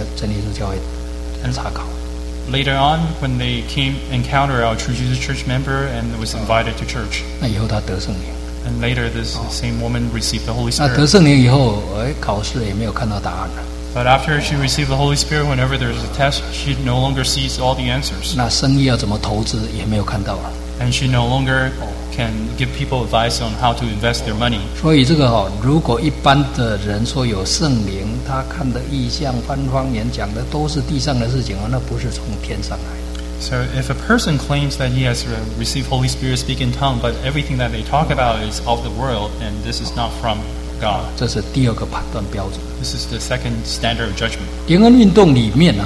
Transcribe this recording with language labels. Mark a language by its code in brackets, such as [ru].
[zh] 那以后的遇到我们教会信徒，才跟他说：“你来教真耶稣教会查考。” [en] Later on, when they came encounter our True Jesus Church member and was invited to church, [zh] 那以后他得圣灵。 [en] And later, this same woman received the Holy Spirit. [zh] 那得圣灵以后，哎，考试也没有看到答案了。 [en] But after she received the Holy Spirit, whenever there is a test, she no longer sees all the answers. [zh] 那生意要怎么投资也没有看到了。 [en] And she no longer can give people advice on how to invest their money. [zh] 所以这个哦，如果一般的人说有圣灵，他看的异象、翻方言、讲的都是地上的事情哦，那不是从天上来的。 [en] So if a person claims that he has received Holy Spirit speak in tongue, but everything that they talk about is of the world, and this is not from God. [zh] 这是第二个判断标准。 [en] This is the second standard of judgment.